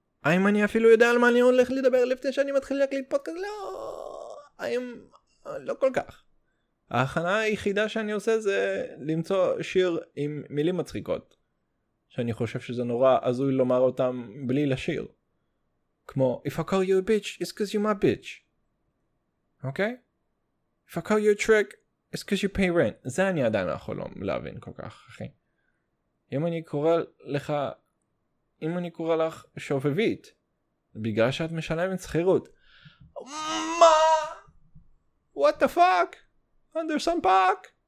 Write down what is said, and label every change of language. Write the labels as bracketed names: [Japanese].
[Hebrew] האם אני אפילו יודע על מה אני הולך לדבר לפני שאני מתחיל להקליט פודקאסט? לא. האם... לא כל כך. ההכנה היחידה שאני עושה זה למצוא שיר עם מילים מצחיקות. שאני חושב שזה נורא עזוי לומר אותם בלי לשיר. [English] כמו, If I call you a bitch, it's cause you're my bitch. [Hebrew] אוקיי? [English] Okay? If I call you a trick, it's cause you pay rent. [Hebrew] זה אני עדיין יכול להבין כל כך, אחי. אם אני קורא לך, אם אני קורא לך שובבית, בגלל שאת משלמת שכירות. מה? [English] What the fuck? Under some park?